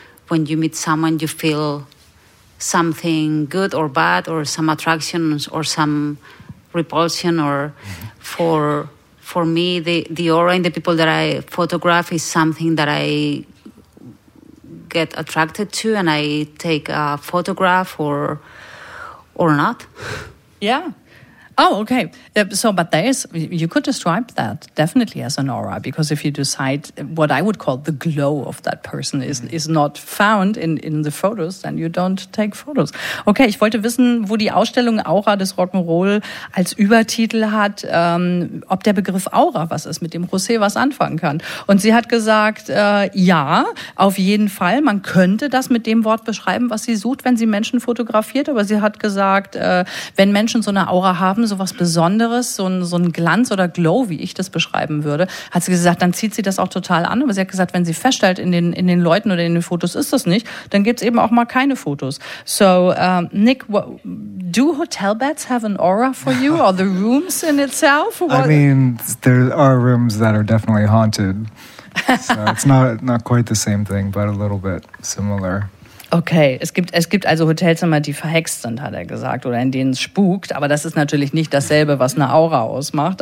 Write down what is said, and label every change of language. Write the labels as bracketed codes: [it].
[en] When you meet someone, you feel something good or bad or some attractions or some repulsion or for me the aura in the people that I photograph is something that I get attracted to and I take a photograph or not. Yeah. Oh, okay. So, but there is, you could describe that definitely as an aura, because if you decide what I would call the glow of that person is not found in the photos, then you don't take photos. [de] Okay, ich wollte wissen, wo die Ausstellung Aura des Rock'n'Roll als Übertitel hat, ob der Begriff Aura was ist, mit dem José was anfangen kann. Und sie hat gesagt, ja, auf jeden Fall, man könnte das mit dem Wort beschreiben, was sie sucht, wenn sie Menschen fotografiert. Aber sie hat gesagt, wenn Menschen so eine Aura haben, sowas Besonderes, so ein Glanz oder Glow, wie ich das beschreiben würde, hat sie gesagt, dann zieht sie das auch total an. Aber sie hat gesagt, wenn sie feststellt, in den Leuten oder in den Fotos ist das nicht, dann gibt es eben auch mal keine Fotos. [en] So, Nick, do hotel beds have an aura for you? Or the rooms in itself? What? I mean, there are rooms that are definitely haunted. So it's not quite the same thing, but a little bit similar. [de] Okay, es gibt also Hotelzimmer, die verhext sind, hat er gesagt, oder in denen es spukt. Aber das ist natürlich nicht dasselbe, was eine Aura ausmacht.